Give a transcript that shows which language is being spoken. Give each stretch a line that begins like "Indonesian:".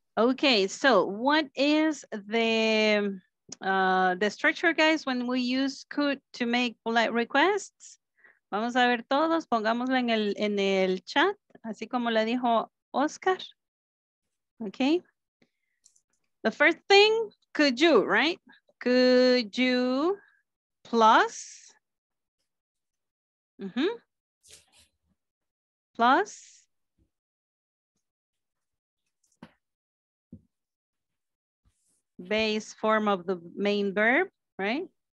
English: Okay, so what is the structure, guys, when we use could to make polite requests?
Spanish: Vamos a ver todos, pongámosla en el chat, así como la dijo Oscar.
English: Okay. The first thing, could you, right? Could you plus, plus base form of the main verb, right?